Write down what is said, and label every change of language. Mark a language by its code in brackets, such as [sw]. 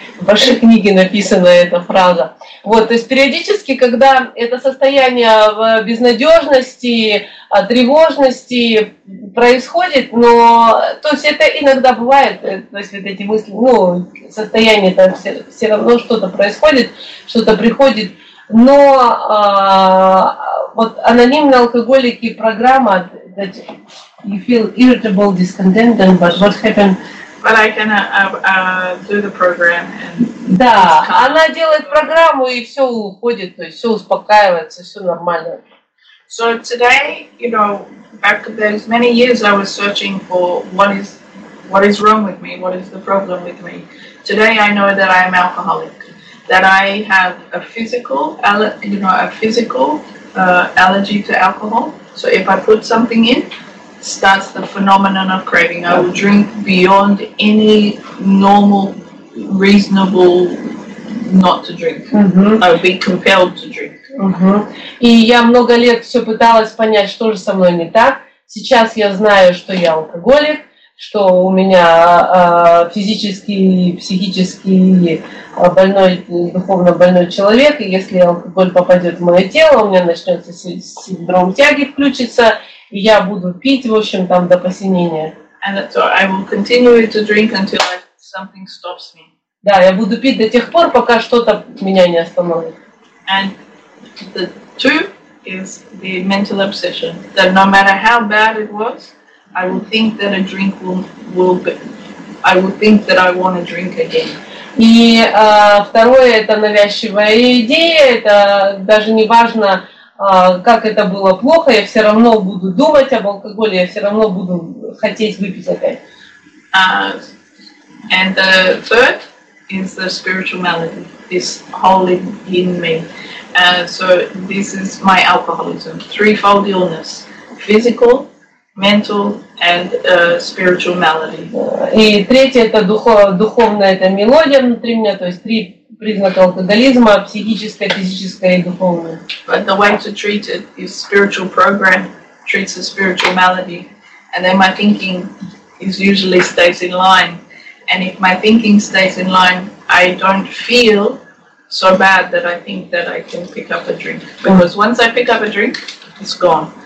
[ru] В вашей книге написана эта фраза. Вот, то есть периодически, когда это состояние безнадежности, тревожности происходит, но то есть это иногда бывает, то есть вот эти мысли, ну, состояние там все равно что-то происходит, что-то приходит, но вот анонимные алкоголики программа [en] that you feel irritable, discontented, but what happened? But I can do the program and [ru] да, она делает программу и все уходит, то есть все успокаивается, все нормально. [en] So today, you know, back there's many years I was searching for what is wrong with me, what is the problem with me. Today I know that I am alcoholic, that I have a physical, you know, a physical allergy to alcohol. So if I put something in, starts the phenomenon of craving. I will drink beyond any normal, reasonable not to drink. Mm-hmm. I will be compelled to drink. [ru] И я много лет все пыталась понять, что же со мной не так. Сейчас я знаю, что я алкоголик, что у меня физически, психически больной, духовно больной человек. И если алкоголь попадет в мое тело, у меня начнется синдром тяги включиться, и я буду пить, в общем, там до посинения. [en] I will continue to drink until something stops me. [ru] Да, я буду пить до тех пор, пока что-то меня не остановит. [en] And the two is the mental obsession that no matter how bad it was, I will think that a drink will be, I will think that I want to drink again. [ru] И второе это навязчивая идея, это даже не важно, как это было плохо, я все равно буду думать об алкоголе, я все равно буду хотеть выпить опять. [en] And the third is the spiritual malady, this hole in me. So this is my alcoholism, threefold illness, physical, mental, and spiritual malady. [ru] И третье это духовная это мелодия внутри меня, то есть три признака алкоголизма: психическая, физическая и духовная. [en] But the way to treat it is spiritual program treats the spiritual malady, and then my thinking is usually stays in line. And if my thinking stays in line, I don't feel so bad that I think that I can pick up a drink. Because once I pick up a drink, it's gone.